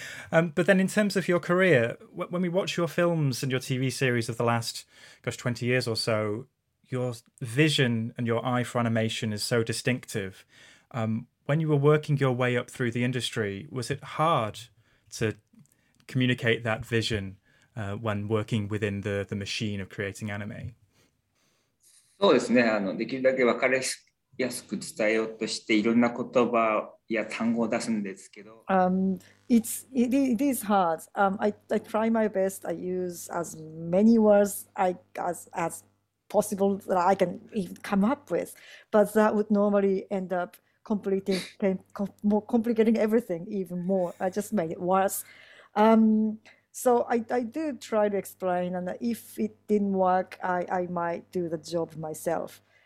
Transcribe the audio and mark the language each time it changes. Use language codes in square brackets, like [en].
[en] But then in terms of your career, when we watch your films and your TV series of the last, 20 years or so, your vision and your eye for animation is so distinctive. When you were working your way up through the industry, was it hard to communicate that vision when working within the machine of creating anime? [ja] そうですね。できるだけ分かりやすく伝えようとしていろんな言葉や単語を出すんですけど。 [en] It is hard. I try my best. I use as many words as possible that I can even come up with. But that would normally end up complicating everything even more. I just made it worse. So I do try to explain, and if it didn't work, I might do the job myself.